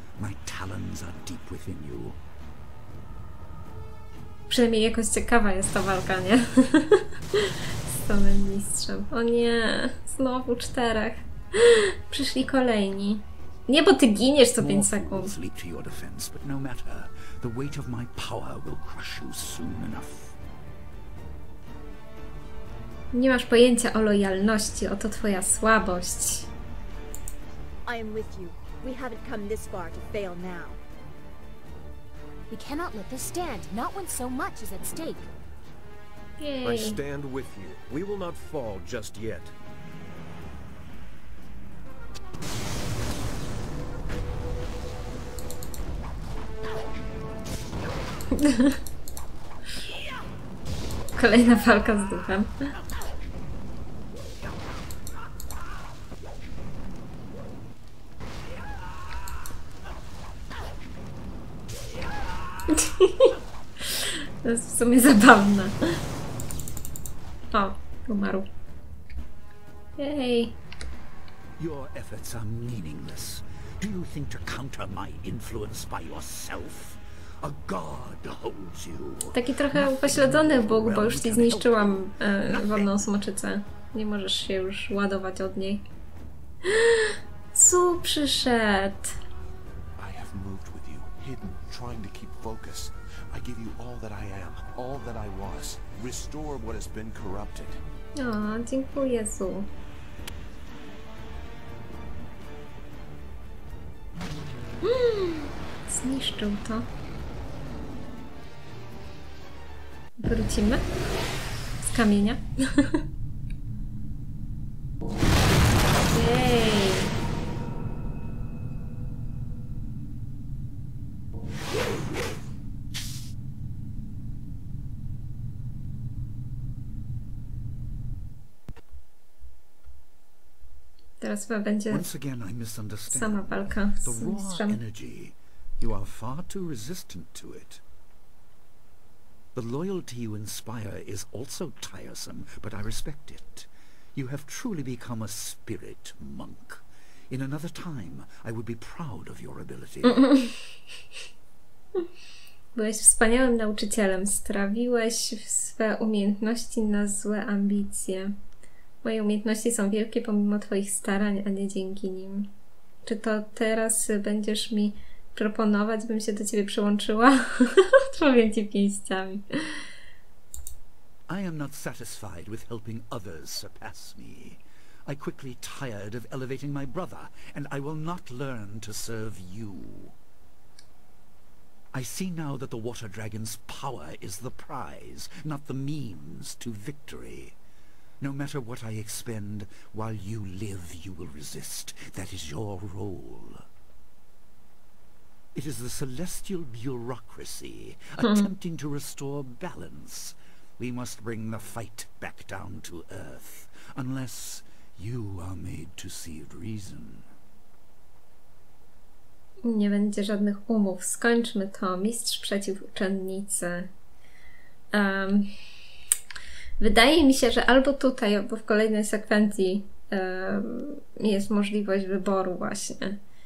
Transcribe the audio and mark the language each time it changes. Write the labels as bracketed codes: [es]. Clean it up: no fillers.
[en] My talons are deep within you. [pl] Przynajmniej jakoś ciekawa jest ta walka, nie? Z samym mistrzem. O nie, znowu czterech. Przyszli kolejni. Nie, bo ty giniesz co 5 sekund. [en] Leap to your defense, but no matter. The weight of my power will crush you soon enough. [pl] Nie masz pojęcia o lojalności, oto twoja słabość. [en] I am with you. We haven't come this far to fail now. We cannot let this stand, not when so much is at stake. Yay. I stand with you. We will not fall just yet. [pl] Kolejna walka z duchem. To jest w sumie zabawne. Umarł. Hej. [en] Your efforts are meaningless. Do you think to counter my influence by yourself? A god holds you. [pl] Taki trochę upośledzony Bóg, bo już ci zniszczyłam wodną smoczycę. Nie możesz się już ładować od niej. Su przyszedł. [en] I have moved with you, hidden, trying to keep focus. I give you all that I am, all that I was. Restore what has been corrupted. [pl] O, dziękuję, Su. Zniszczył to. Wrócimy z kamienia. Jej. Teraz chyba będzie sama walka z mistrzem. [en] You are far too resistant to it. The loyalty you inspire is also tiresome, but I respect it. You have truly become a spirit monk. In another time, I would be proud of your ability. [pl] Byłeś wspaniałym nauczycielem. Strawiłeś swe umiejętności na złe ambicje. Moje umiejętności są wielkie pomimo twoich starań, a nie dzięki nim. Czy to teraz będziesz mi proponować, bym się do ciebie przyłączyła? Odpowiem ci pięściami. [en] I am not satisfied with helping others surpass me. I quickly tired of elevating my brother, and I will not learn to serve you. I see now that the water dragon's power is the prize, not the means to victory. No matter what I expend, while you live, you will resist. That is your role. It is the celestial bureaucracy attempting to restore balance. We must bring the fight back down to earth, unless you are made to see reason. [pl] Nie będzie żadnych umów. Skończmy to. Mistrz przeciw uczennicy. Wydaje mi się, że albo tutaj, albo w kolejnej sekwencji jest możliwość wyboru właśnie.